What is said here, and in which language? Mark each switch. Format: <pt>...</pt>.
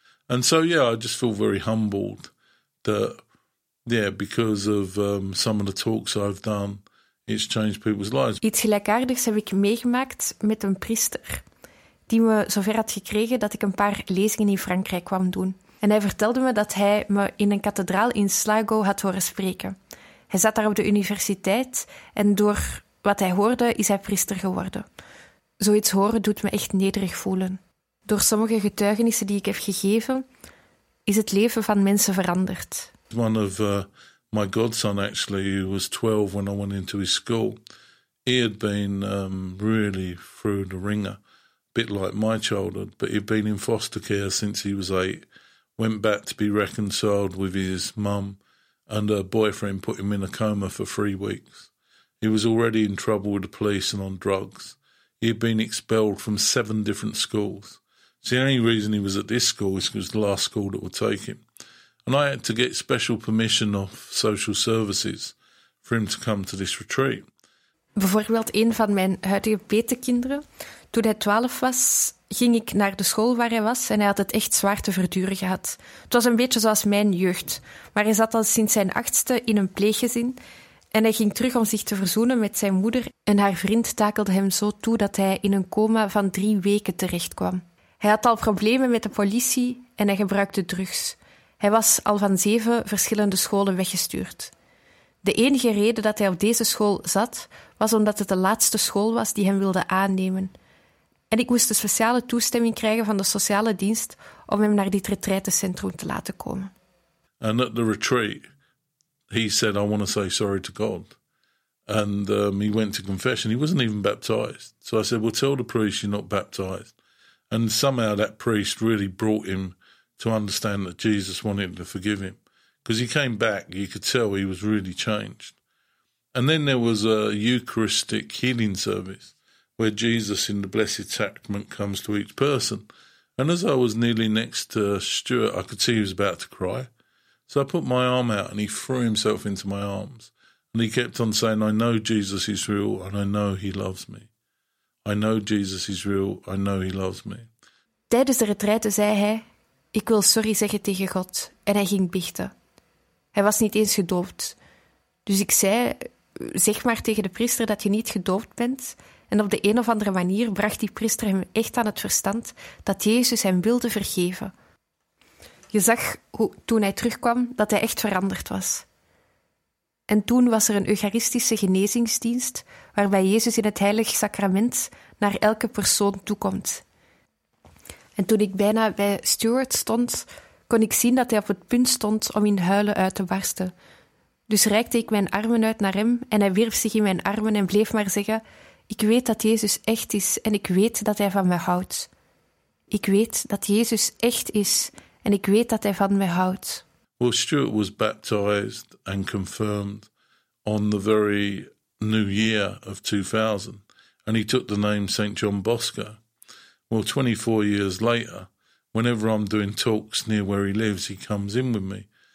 <en>And so, yeah, I just feel very humbled that, yeah, because of some of the talks I've done, it's changed people's lives.</en> <nl>Iets gelijkaardigs heb ik meegemaakt met een priester die me zover had gekregen dat ik een paar lezingen in Frankrijk kwam doen. En hij vertelde me dat hij me in een kathedraal in Sligo had horen spreken. Hij zat daar op de universiteit en door wat hij hoorde is hij priester geworden. Zoiets horen doet me echt nederig voelen. Door sommige getuigenissen die ik heb gegeven, is het leven van mensen veranderd.</nl> <en>My godson, actually, who was 12 when I went into his school, he had been really through the ringer, a bit like my childhood, but he'd been in foster care since he was 8, went back to be reconciled with his mum, and her boyfriend put him in a coma for 3 weeks. He was already in trouble with the police and on drugs. He had been expelled from 7 different schools. So the only reason he was at this school is because it was the last school that would take him. And I had to get special permission of social services for him to come to this retreat.</en> <nl>Bijvoorbeeld een van mijn huidige petekinderen. Toen hij 12 was, ging ik naar de school waar hij was en hij had het echt zwaar te verduren gehad. Het was een beetje zoals mijn jeugd, maar hij zat al sinds zijn 8e in een pleeggezin en hij ging terug om zich te verzoenen met zijn moeder en haar vriend takelde hem zo toe dat hij in een coma van 3 weken terechtkwam. Hij had al problemen met de politie en hij gebruikte drugs. Hij was al van 7 verschillende scholen weggestuurd. De enige reden dat hij op deze school zat, was omdat het de laatste school was die hem wilde aannemen. En ik moest de speciale toestemming krijgen van de sociale dienst om hem naar dit retraitecentrum te laten komen.</nl> <en>And at the retreat, he said, "I want to say sorry to God." And he went to confession. He wasn't even baptized. So I said, "Well, tell the priest you're not baptized." And somehow that priest really brought him to understand that Jesus wanted to forgive him. Because he came back, you could tell he was really changed. And then there was a Eucharistic healing service where Jesus in the Blessed Sacrament comes to each person. And as I was kneeling next to Stuart, I could see he was about to cry. So I put my arm out and he threw himself into my arms. And he kept on saying, "I know Jesus is real and I know he loves me. I know Jesus is real, I know he loves me."</en> <nl>Tijdens de retraite zei hij: "Ik wil sorry zeggen tegen God." En hij ging biechten. Hij was niet eens gedoopt. Dus ik zei: "Zeg maar tegen de priester dat je niet gedoopt bent." En op de een of andere manier bracht die priester hem echt aan het verstand dat Jezus hem wilde vergeven. Je zag hoe, toen hij terugkwam, dat hij echt veranderd was. En toen was er een eucharistische genezingsdienst waarbij Jezus in het heilig sacrament naar elke persoon toekomt. En toen ik bijna bij Stuart stond, kon ik zien dat hij op het punt stond om in huilen uit te barsten. Dus reikte ik mijn armen uit naar hem en hij wierp zich in mijn armen en bleef maar zeggen: ik weet dat Jezus echt is en ik weet dat hij van me houdt. Ik weet dat Jezus echt is en ik weet dat hij van me houdt.</nl> <en>Well, Stuart was baptized and confirmed on the very new year of 2000. And he took the name St. John Bosco. Well, 24 years later, whenever I'm doing talks near where he lives, he comes in with me.</en>